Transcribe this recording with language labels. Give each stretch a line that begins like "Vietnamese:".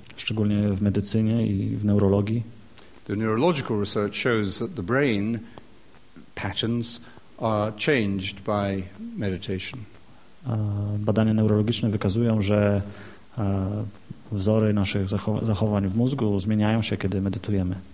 Polish: Szczególnie w medycynie i w neurologii.
English: The neurological research shows that the brain patterns are changed by meditation.
Polish: Badania neurologiczne wykazują, że wzory naszych zachowań w mózgu zmieniają się, kiedy medytujemy.